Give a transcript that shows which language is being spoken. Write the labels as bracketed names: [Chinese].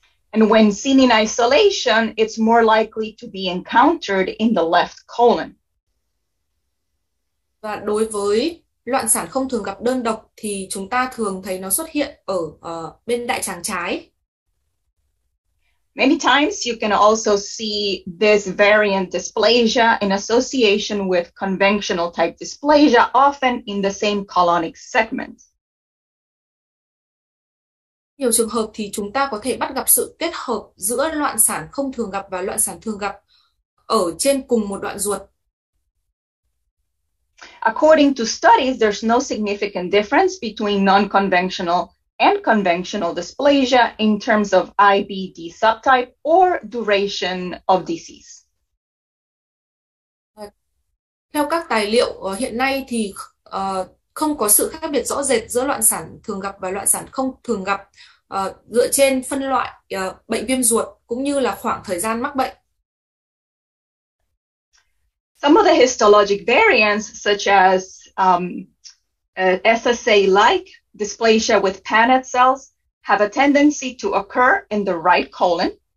[English] And when seen in isolation, it's more likely to be encountered in the left colon. [Vietnamese] Và đối với loạn sản không thường gặp đơn độc thì chúng ta thường thấy nó xuất hiện ở bên đại tràng trái. [English] Many times you can also see this variant dysplasia in association with conventional type dysplasia, often in the same colonic segment. [Vietnamese] Nhiều trường hợp thì chúng ta có thể bắt gặp sự kết hợp giữa loạn sản không thường gặp và loạn sản thường gặp ở trên cùng một đoạn ruột. [English] According to studies, there's no significant difference between non-conventional and conventional dysplasia in terms of IBD subtype or duration of disease. [Vietnamese] Theo các tài liệu hiện nay thì không có sự khác biệt rõ rệt giữa loạn sản thường gặp và loạn sản không thường gặp dựa trên phân loại bệnh viêm ruột cũng như là khoảng thời gian mắc bệnh. [English] Some of the histologic variants, such as SSA-like dysplasia with Paneth cells, have a tendency to occur in the right colon.